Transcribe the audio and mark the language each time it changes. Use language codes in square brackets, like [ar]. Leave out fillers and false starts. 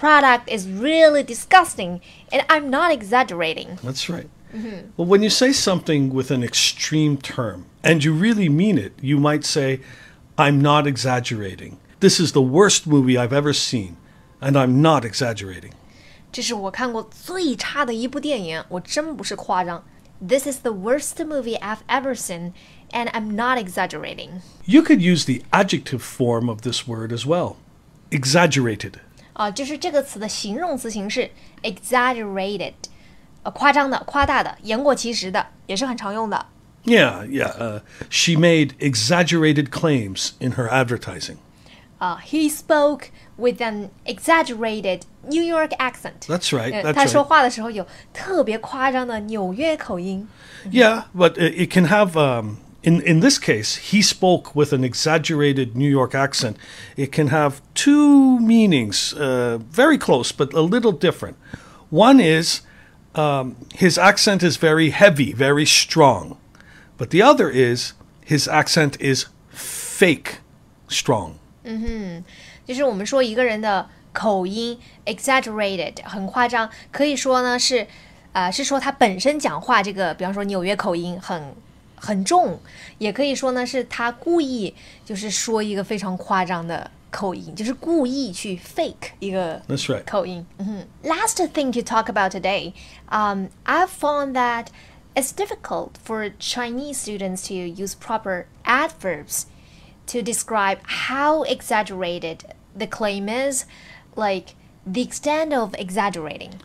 [en] product is really disgusting and I'm not exaggerating. That's right.、 Mm-hmm. Well, when you say something with an extreme term and you really mean it, you might say, I'm not exaggerating. This is the worst movie I've ever seen and I'm not exaggerating. [zh] 这是我看过最差的一部电影，我真不是夸张。 [en] This is the worst movie I've ever seen, and I'm not exaggerating. You could use the adjective form of this word as well. Exaggerated. 就是这个词的形容词形式 exaggerated. 夸张的、夸大的、言过其实的也是很常用的。 Yeah, yeah. She made exaggerated claims in her advertising. He spoke with an exaggerated New York accent. That's right. That's [zh] 他说话的时候有特别夸张的纽约口音。 [en] Yeah, but it can have, in this case, he spoke with an exaggerated New York accent. It can have two meanings, very close, but a little different. One is, his accent is very heavy, very strong. But the other is, his accent is fake strong. Mm-hmm. [zh] 就是我们说一个人的口音 exaggerated 很夸张，可以说呢是，是说他本身讲话这个，比方说纽约口音很重，也可以说呢是他故意就是说一个非常夸张的口音，就是故意去 fake 一个 [en] That's right [zh] 口音。 [en] Last thing to talk about today, I found that it's difficult for Chinese students to use proper adverbs to describe how exaggerated the claim is. Like the extent of exaggerating.